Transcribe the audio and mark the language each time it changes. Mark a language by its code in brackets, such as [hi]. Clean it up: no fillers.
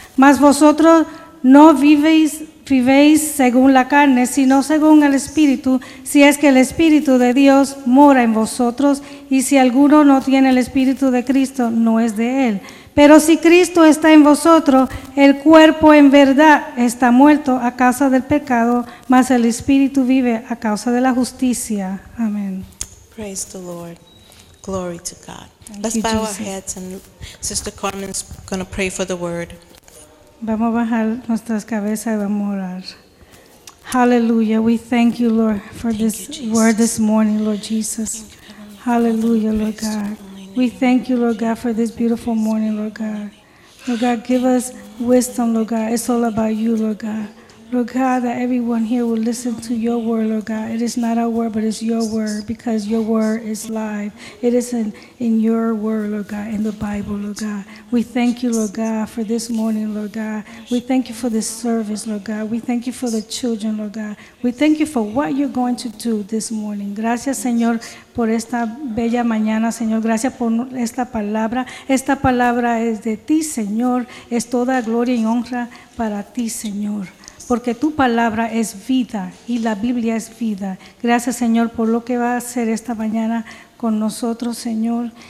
[es] Mas vosotros no vivéis según la carne, sino según el Espíritu, si es que el Espíritu de Dios mora en vosotros, y si alguno no tiene el Espíritu de Cristo, no es de él. Pero si Cristo está en vosotros, el cuerpo en verdad está muerto a causa del pecado, mas el Espíritu vive a causa de la justicia. Amén. [en] Praise the Lord. Glory to God. Let's bow our heads and Sister Carmen's going to pray for the word. [es] Vamos a bajar nuestras cabezas y vamos a orar. [en] Hallelujah. We thank you, Lord, for this word this morning, Lord Jesus. Hallelujah, Lord God. We thank you, Lord God, for this beautiful morning, Lord God. Lord God, give us wisdom, Lord God. It's all about you, Lord God. Lord God, that everyone here will listen to your word, Lord God. It is not our word, but it's your word, because your word is live. It is in your word, Lord God, in the Bible, Lord God. We thank you, Lord God, for this morning, Lord God. We thank you for this service, Lord God. We thank you for the children, Lord God. We thank you for what you're going to do this morning. [es] Gracias, Señor, por esta bella mañana, Señor. Gracias por esta palabra. Esta palabra es de ti, Señor. Es toda gloria y honra para ti, Señor. porque tu palabra es vida y la Biblia es vida. Gracias, Señor, por lo que va a hacer esta mañana con nosotros, Señor.